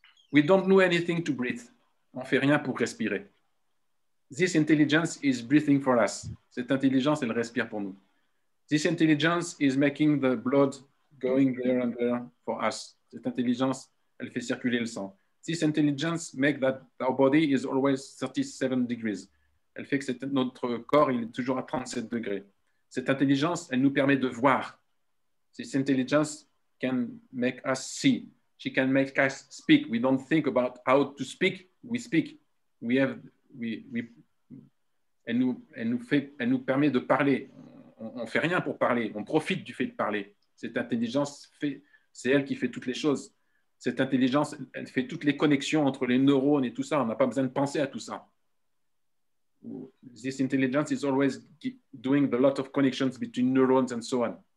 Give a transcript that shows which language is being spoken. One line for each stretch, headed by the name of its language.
English: We don't know anything to breathe,
French: on ne fait rien pour respirer.
English: This intelligence is breathing for us.
French: Cette intelligence, elle respire pour nous.
English: This intelligence is making the blood going there and there for us.
French: Cette intelligence, elle fait circuler le sang. This
English: this intelligence makes that our body is always 37 degrees.
French: Elle fait que notre corps il est toujours à 37 degrés. Cette intelligence, elle nous permet de voir.
English: This intelligence can make us see. She can make us speak. We don't think about how to speak. We speak. We have. We.
French: Elle nous permet de parler. On fait rien pour parler. On profite du fait de parler. Cette intelligence fait. C'est elle qui fait toutes les choses. Cette intelligence, elle fait toutes les connexions entre les neurones et tout ça. On n'a pas besoin de penser à tout ça.
English: This intelligence is always doing a lot of connections between neurons and so on.